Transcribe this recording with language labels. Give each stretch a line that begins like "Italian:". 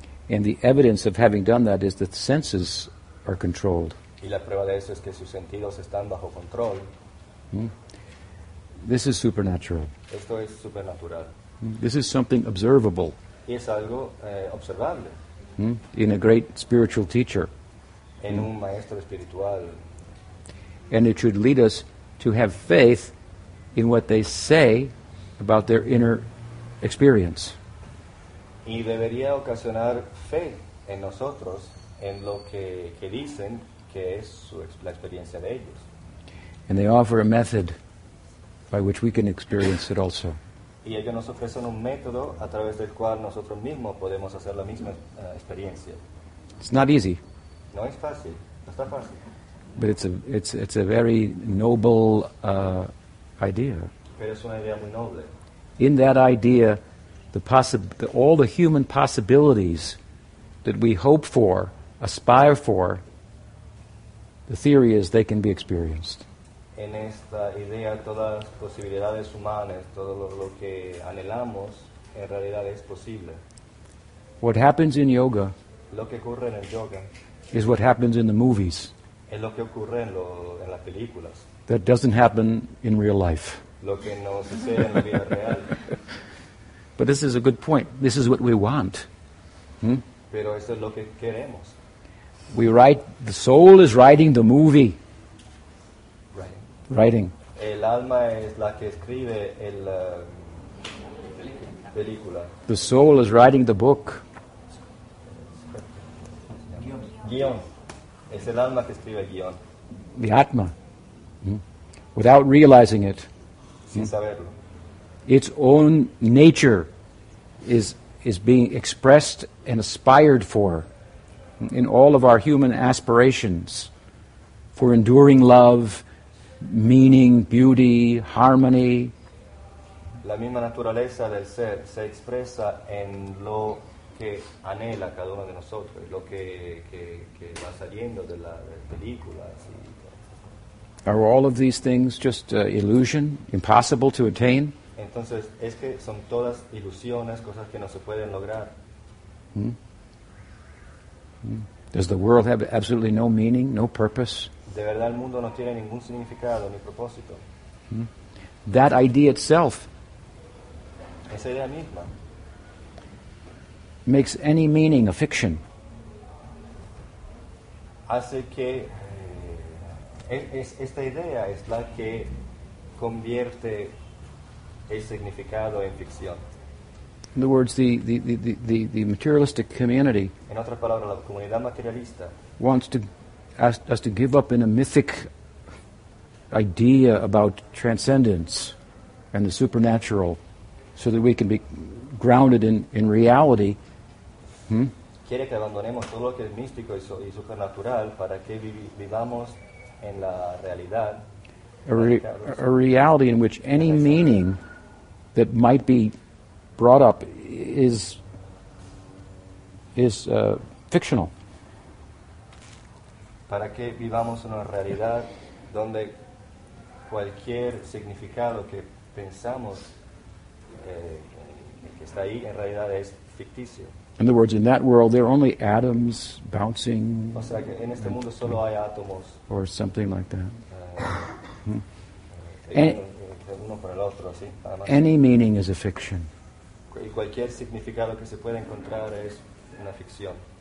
English: and the evidence of having done that is that the senses are controlled.
Spanish: Y la prueba de eso es que sus sentidos están bajo control.
English: This is supernatural.
Spanish: Esto es supernatural.
English: This is something observable.
Spanish: Y es algo observable.
English: In a great spiritual teacher.
Spanish: En un maestro espiritual.
English: And it should lead us to have faith in what they say about their inner experience.
Spanish: Y debería ocasionar fe en nosotros en lo que dicen que es su experiencia de ellos.
English: And they offer a method by which we can experience it also.
Spanish: Y ellos nos ofrecen un método a través del cual nosotros mismos podemos hacer la misma experiencia.
English: It's not easy.
Spanish: No es fácil. No está fácil.
English: But it's a very noble idea.
Spanish: Pero es una idea muy noble.
English: In that idea, all the human possibilities that we hope for, aspire for, the theory is they can be experienced.
Spanish: En esta idea, todas las posibilidades humanas, todo lo que anhelamos, en realidad es posible.
English: What happens in yoga,
Spanish: lo que ocurre en el yoga
English: is what happens in the movies.
Spanish: Es lo que ocurre en las películas.
English: That doesn't happen in real life.
Spanish: Lo que no sucede en la vida real.
English: But this is a good point. This is what we want.
Spanish: Pero eso es lo que queremos.
English: We write, the soul is writing the movie. Writing.
Spanish: El alma es la que escribe el película.
English: The soul is writing the book.
Spanish: Guión. Es el alma que escribe el guión.
English: The atma. Without realizing it.
Spanish: Sin saberlo.
English: Its own nature is being expressed and aspired for in all of our human aspirations for enduring love, meaning, beauty, harmony.
Spanish: La misma naturaleza del ser se expresa en lo que anhela cada uno de nosotros, lo que va saliendo de la película.
English: Are all of these things just illusion, impossible to attain?
Spanish: Entonces, es que son todas ilusiones, cosas que no se pueden lograr.
English: Does the world have absolutely no meaning, no purpose?
Spanish: De verdad, el mundo no tiene ningún significado ni propósito.
English: That idea itself,
Spanish: esa idea misma,
English: makes any meaning a fiction.
Spanish: Hace que esta idea es la que convierte el significado en ficción.
English: In other words, the materialistic community,
Spanish: en otras palabras, la comunidad materialista,
English: wants to ask us to give up in a mythic idea about transcendence and the supernatural so that we can be grounded in reality.
Spanish: Quiere que abandonemos todo lo que es místico y supernatural para que vivamos en la realidad.
English: A reality in which any meaning that might be brought up is fictional.
Spanish: Para que vivamos en una realidad donde cualquier significado que pensamos que está ahí en realidad es ficticio.
English: In other words, in that world, there are only atoms bouncing.
Spanish: O sea, que en este mundo solo hay átomos.
English: Or something like that.
Spanish: Uno por el otro, sí.
English: Any meaning is a fiction.
Spanish: Y cualquier significado que se puede encontrar es una ficción.